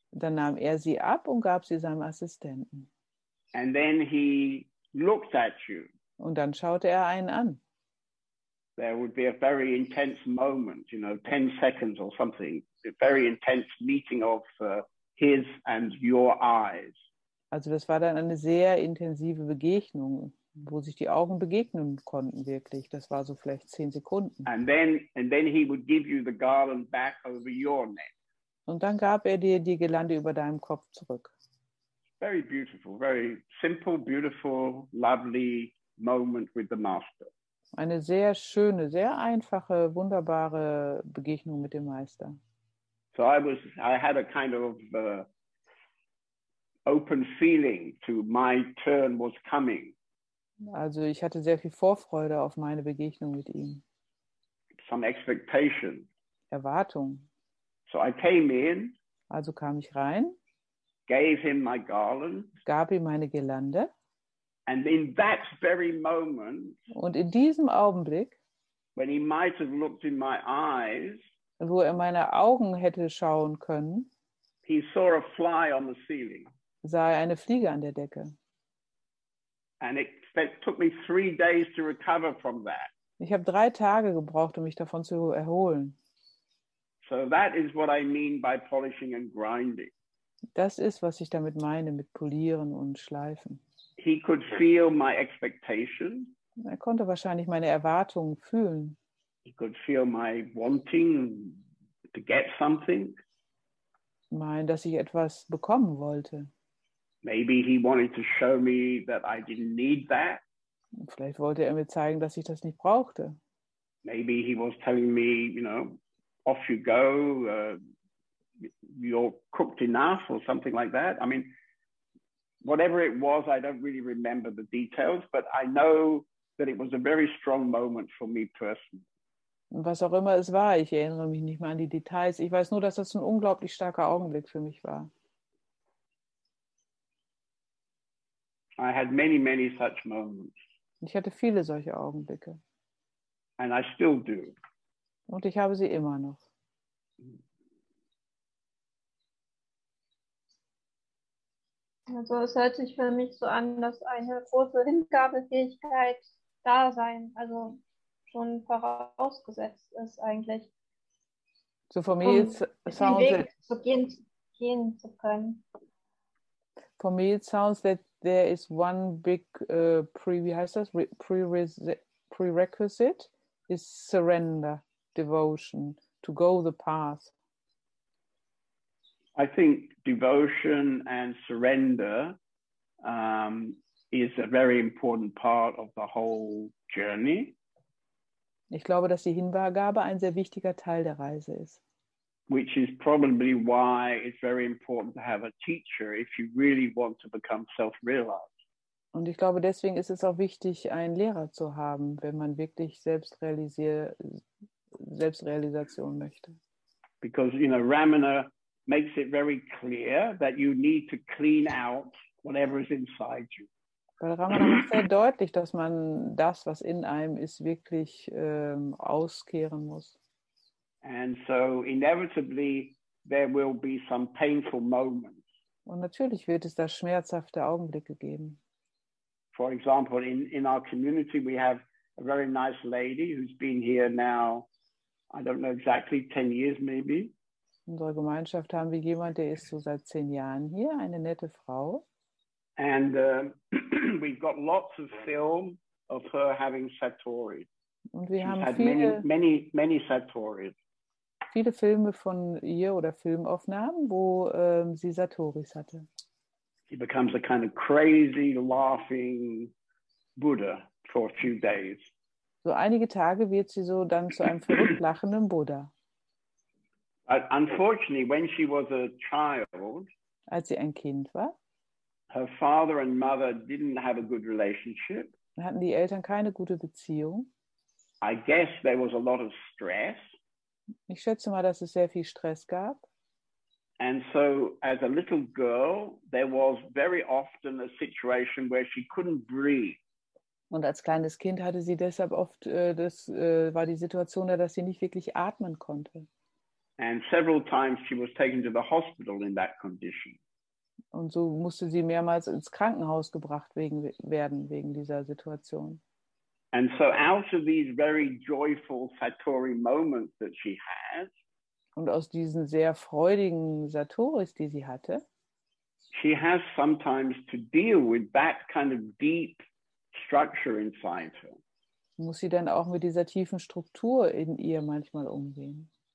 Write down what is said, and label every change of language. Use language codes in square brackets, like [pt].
[de] Dann nahm sie ab und gab sie seinem Assistenten. [en] And then he looked at you. [de] Und dann schaute einen an. [en] There would be a very intense moment, you know, 10 seconds or something. A very intense meeting of his and your eyes. [de] Also das war dann eine sehr intensive Begegnung, wo sich die Augen begegnen konnten wirklich. Das war so vielleicht 10 Sekunden. [en] And then he would give you the garland back over your neck. [de] Und dann gab dir die Girlande über deinem Kopf zurück. [en] Very beautiful, very simple, beautiful, lovely moment with the master. [de] Eine sehr schöne, sehr einfache, wunderbare Begegnung mit dem Meister. [en] So I had a kind of open feeling to my turn was coming. [de] Also ich hatte sehr viel Vorfreude auf meine Begegnung mit ihm. [en] Some expectation. [de] Erwartung. [en] So I came in. [de] Also kam ich rein. [en] Gave him my garland. [de] Gab ihm meine Girlande. [en] And in that very moment. [de] Und in diesem Augenblick. [en] When he might have looked in my eyes. [de] Wo meine Augen hätte schauen können. [en] He saw a fly on the ceiling. [de] Sah eine Fliege an der Decke. [en] And it took me 3 days to recover from that. [de] Ich habe 3 Tage gebraucht, mich davon zu erholen. [en] So that is what I mean by polishing and grinding. [de] Das ist, was ich damit meine, mit Polieren und Schleifen. [en] He could feel my expectation. [de] Er konnte wahrscheinlich meine Erwartungen fühlen. [en] He could feel my wanting to get something. [de] Mein, dass ich etwas bekommen wollte. [en] Maybe he wanted to show me that I didn't need that. [de] Vielleicht wollte mir zeigen, dass ich das nicht brauchte. [en] Maybe he was telling me, you know, off you go, you're cooked enough or something like that. I mean, whatever it was, I don't really remember the details, but I know that it was a very strong moment for me personally. [de] Was auch immer es war, ich erinnere mich nicht mehr an die Details. Ich weiß nur, dass das ein unglaublich starker Augenblick für mich war. [en] I had many, many such moments. [de] Ich hatte viele solche Augenblicke. [en] And I still do. [de] Und ich habe sie immer noch. Also es hört sich für mich so an, dass eine große Hingabefähigkeit da sein, also schon vorausgesetzt ist eigentlich. [en] So for me it sounds [de] den Weg zu gehen zu können. [en] For me it sounds that there is one big prerequisite is surrender, devotion, to go the path. I think devotion and surrender is a very important part of the whole journey. [de] Ich glaube, dass die Hingabe ein sehr wichtiger Teil der Reise ist. [en] Which is probably why it's very important to have a teacher if you really want to become self-realized. [de] Und ich glaube, deswegen ist es auch wichtig, einen Lehrer zu haben, wenn man wirklich selbst realisiert Selbstrealisation möchte. [en] Because, you know, Ramana makes it very clear that you need to clean out whatever is inside you. [de] Weil Ramana macht sehr deutlich, dass man das, was in einem ist, wirklich auskehren muss. [en] And so inevitably there will be some painful moments. [de] Und natürlich wird es da schmerzhafte Augenblicke geben. [en] For example, in our community we have a very nice lady who's been here now, I don't know exactly, 10 years maybe. [de] In unserer Gemeinschaft haben wir jemanden, der ist so seit 10 Jahren hier, eine nette Frau. [en] And we've got lots of film of her having Satori. [de] Und wir [en] She's [de] haben [en] had [de] viele, [en] many Satoris. [de] Viele Filme von ihr oder Filmaufnahmen, wo sie Satoris hatte. [en] She becomes a kind of crazy laughing Buddha for a few days. [de] So einige Tage wird sie so dann zu einem verrückt lachenden Buddha. [en] Unfortunately, when she was a child, [de] als sie ein Kind war, [en] her father and mother didn't have a good relationship. [de] Hatten die Eltern keine gute Beziehung. [en] I guess there was a lot of stress. [de] Ich schätze mal, dass es sehr viel Stress gab. [en] And so as a little girl, there was very often a situation where she couldn't breathe. [de] Und als kleines Kind hatte sie deshalb oft, das war die Situation da, dass sie nicht wirklich atmen konnte. [en] And several times she was taken to the hospital in that condition. [de] Und so musste sie mehrmals ins Krankenhaus gebracht wegen dieser Situation. [en] And so out of these very joyful Satori moments that she had, [de] und aus diesen sehr freudigen Satoris, die sie hatte, [en] she has sometimes to deal with that kind of deep structure inside her. [de] Muss sie dann auch mit dieser tiefen Struktur in ihr manchmal umgehen.